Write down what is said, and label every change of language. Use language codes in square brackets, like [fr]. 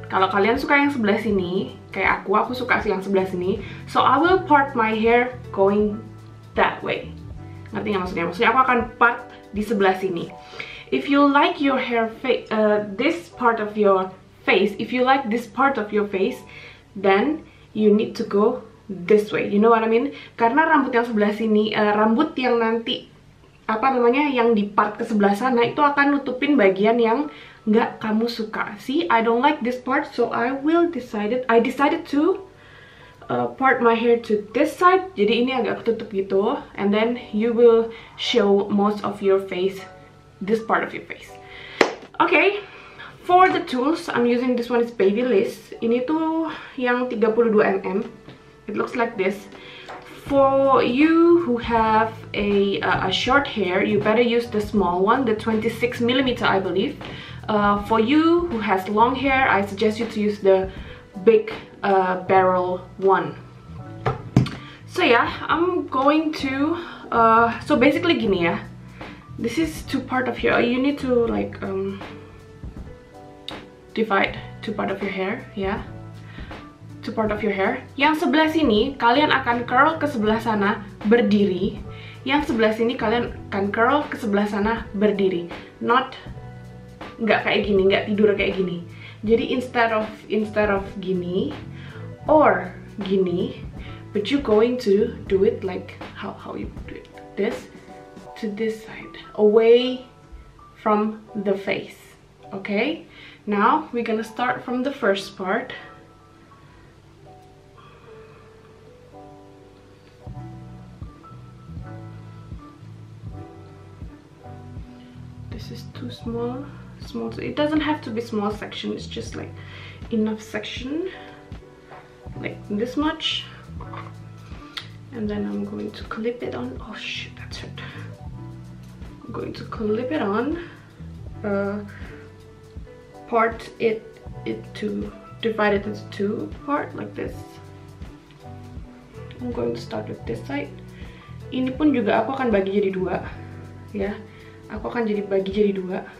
[id] Kalau kalian suka yang sebelah sini, kayak aku suka sih yang sebelah sini. [en] So I will part my hair going that way. [id] Ngerti nggak maksudnya? Maksudnya aku akan part di sebelah sini. [en] If you like your hair face, this part of your face, if you like this part of your face, then you need to go this way. You know what I mean? [id] Karena rambut yang sebelah sini, rambut yang nanti apa namanya yang di part ke sebelah sana itu akan nutupin bagian yang nggak kamu suka. [en] See, I don't like this part, so I decided to part my hair to this side. [id] Jadi ini agak ketutup gitu. [en] And then you will show most of your face, this part of your face. Okay, for the tools, I'm using this one is Babyliss. [id] Ini tuh yang 32 mm. [en] It looks like this. For you who have a short hair, you better use the small one, the 26 mm, I believe. For you who has long hair, I suggest you to use the big barrel one. So yeah, I'm going to. So basically, gini ya. This is two part of your. You need to like divide two part of your hair, yeah. To part of your hair. [id] Yang sebelah sini kalian akan curl ke sebelah sana berdiri. Yang sebelah sini kalian akan curl ke sebelah sana berdiri. Not nggak kayak gini, nggak tidur kayak gini. [en] Jadi instead of gini or gini, but you going to do it like how you do it. This to this side, away from the face. Okay? Now we're gonna start from the first part. This is too small. Small. So it doesn't have to be small section. It's just like enough section, like this much. And then I'm going to clip it on. Oh shit, that's hurt. I'm going to clip it on. Part it to divide it into two part like this. I'm going to start with this side. [id] Ini pun juga aku akan bagi jadi dua, ya. Aku akan jadi bagi jadi dua.